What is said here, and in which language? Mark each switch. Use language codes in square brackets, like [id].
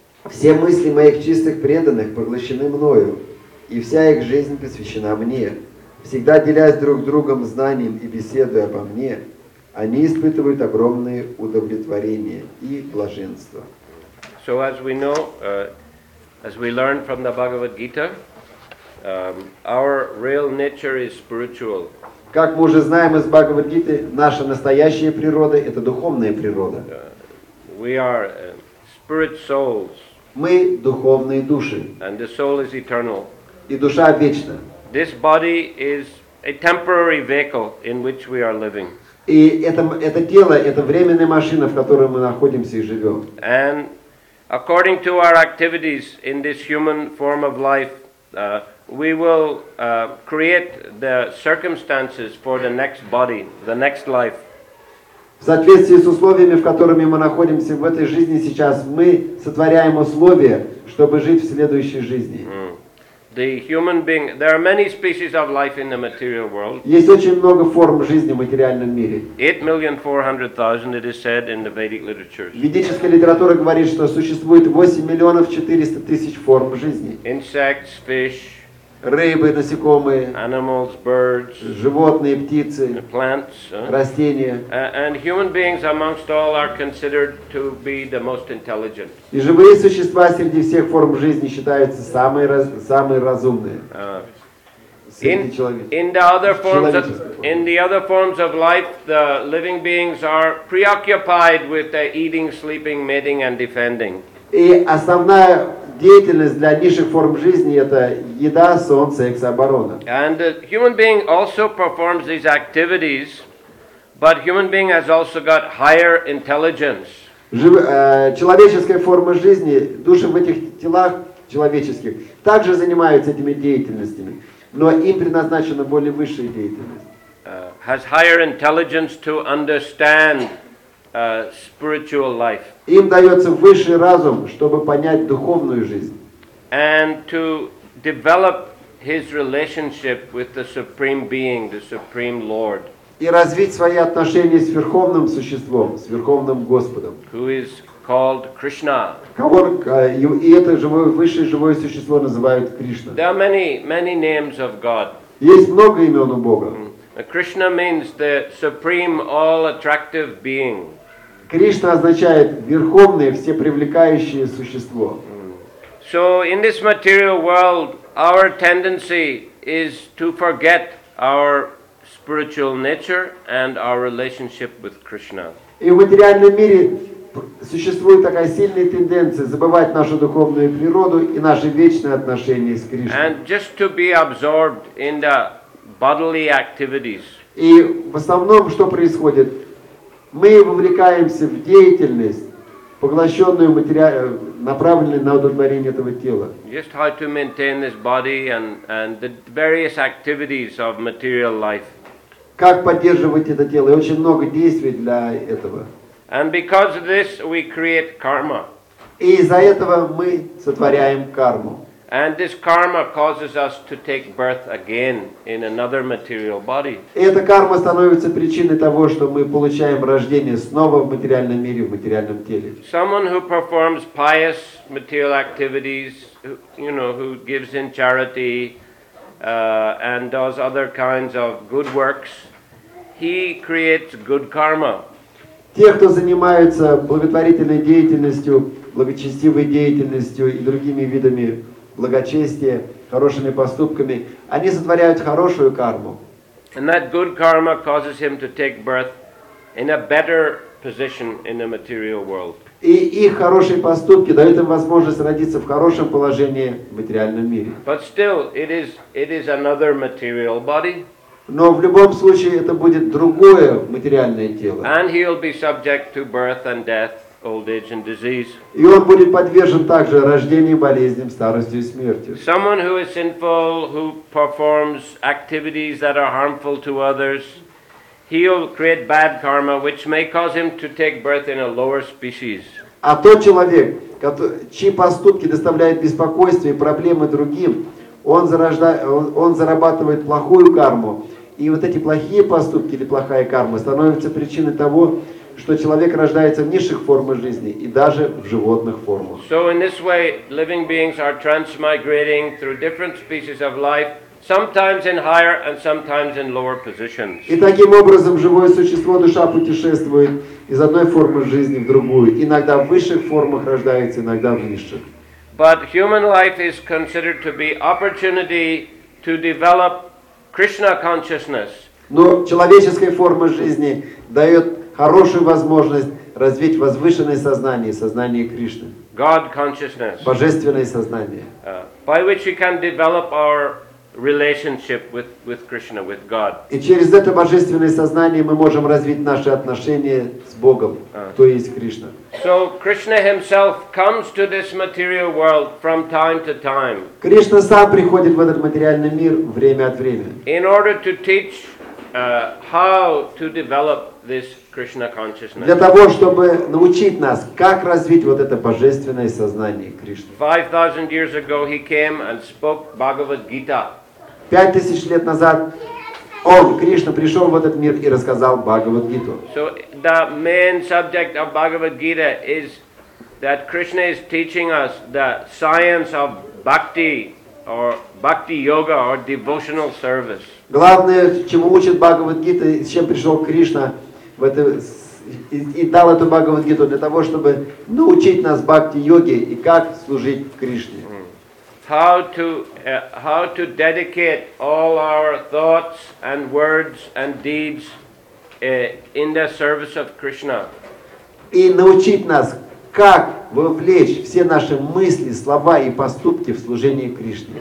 [ru] Все мысли моих чистых преданных поглощены мною, и вся их жизнь посвящена мне. Всегда делясь друг с другом знанием и беседуя обо мне, они испытывают огромное удовлетворение и блаженство. [en] So as we know, as we learn from the Bhagavad Gita, our real nature is spiritual. [ru] Как мы уже знаем из Бхагавад Гиты, наша настоящая природа – это духовная природа. [en] We are spirit souls. [ru] Мы – духовные души. [en] And the soul is eternal. [ru] И душа вечна. [en] This body is a temporary vehicle in which we are living. [ru] И это тело – это временная машина, в которой мы находимся и живем. [en] And according to our activities in this human form of life, we will create the circumstances for the next body, the next life. [ru] В соответствии с условиями, в которых мы находимся в этой жизни сейчас, мы сотворяем условия, чтобы жить в следующей жизни. Mm. [en] The human being, there are many species of life in the material world. [ru] Есть очень много форм жизни в материальном мире. [en] 8,400,000, it is said in the Vedic literature. [ru] Ведическая литература говорит, что существует 8,400,000 форм жизни. [en] Insects, fish, [ru] рыбы, насекомые, [en] animals, birds, [ru] животные, птицы, [en] plants, [ru] растения. [en] And human beings amongst all are considered to be the most intelligent. [ru] И живые существа среди всех форм жизни считаются самые разумные. [en] In the other forms of life, the living beings are preoccupied with eating, sleeping, mating, and defending. [ru] И основная деятельность для низших форм жизни — это еда, сон, секс, оборона. [en] And a human being also performs these activities, but human being has also got higher intelligence. [ru] Человеческая форма жизни, души в этих телах человеческих, также занимаются этими деятельностями, но им предназначена более высшая деятельность. [en] Has higher intelligence to understand spiritual life. [ru] Им дается высший разум, чтобы понять духовную жизнь. [en] And to develop his relationship with the supreme being, the supreme Lord. [ru] И развить свои отношения с верховным существом, с верховным Господом. [en] Who is called Krishna. [ru] И это живое, высшее живое существо называют Кришна. [en] There are many, many names of God. [ru] Есть много имен у Бога. [en] Krishna means the supreme, all-attractive being. [ru] Кришна означает верховное, всепривлекающее существо. [en] So in this material world, our tendency is to forget our spiritual nature and our relationship with Krishna. [ru] И в материальном мире существует такая сильная тенденция забывать нашу духовную природу и наши вечные отношения с Кришной. [en] And just to be absorbed in the bodily activities. [ru] И в основном что происходит? Мы вовлекаемся в деятельность, поглощенную направленную на удовлетворение этого тела. [en] Just how to maintain this body and the various activities of material life. [ru] Как поддерживать это тело? И очень много действий для этого. [en] And because of this, we create karma. [ru] И из-за этого мы сотворяем карму. [en] And this karma causes us to take birth again in another material body. [ru] Эта карма становится причиной того, что мы получаем рождение снова в материальном мире, в материальном теле. [en] Someone who performs pious material activities, who gives in charity and does other kinds of good works, he creates good karma. [ru] Те, кто занимается благотворительной деятельностью, благочестивой деятельностью и другими видами благочестие, хорошими поступками, они сотворяют хорошую карму. [en] And that good karma causes him to take birth in a better position in the material world. [ru] И их хорошие поступки дают им возможность родиться в хорошем положении в материальном мире. [en] But still, it is another material body. [ru] Но в любом случае это будет другое материальное тело. [en] And he'll be subject to birth and death. Old age and disease. [ru] И он будет подвержен также рождению, болезням, старости и смерти. [en] Someone who is sinful, who performs activities that are harmful to others, he'll create bad karma, which may cause him to take birth in a lower species. [ru] А тот человек, чьи поступки доставляют беспокойство и проблемы другим, он зарабатывает плохую карму, и вот эти плохие поступки или плохая карма становятся причиной того, что человек рождается в низших формах жизни и даже в животных формах. [en] So in this way, living beings are transmigrating through different species of life, sometimes in higher and sometimes in lower positions. [ru] И таким образом живое существо, душа, путешествует из одной формы жизни в другую. Иногда в высших формах рождается, иногда в низших. [en] But human life is considered to be opportunity to develop Krishna consciousness. [ru] Но человеческая форма жизни дает хорошую возможность развить возвышенное сознание, сознание Кришны. [en] God consciousness. [ru] Божественное сознание. [en] By which we can develop our relationship with Krishna, with God. [ru] И через это божественное сознание мы можем развить наши отношения с Богом, то есть Кришна. [en] So Krishna himself comes to this material world from time to time. [ru] Кришна сам приходит в этот материальный мир время от времени. [en] In order to teach how to develop this Krishna consciousness. [ru] Для того, чтобы научить нас, как развить вот это божественное сознание Кришны. [en] 5000 years ago he came and spoke Bhagavad Gita. [ru] 5000 лет назад он, Кришна, пришел в этот мир и рассказал Бхагавад Гиту. [en] So the main subject of Bhagavad Gita is that Krishna is teaching us the science of bhakti, or bhakti yoga or devotional service. [ru] Главное, чему учит Бхагавад-гита, с чем пришел Кришна в это, и дал эту Бхагавад-гиту для того, чтобы научить нас бхакти-йоге и как служить Кришне. [en] How to dedicate all our thoughts and words and deeds in the service of Krishna. [ru] И научить нас, как вовлечь все наши мысли, слова и поступки в служение Кришне.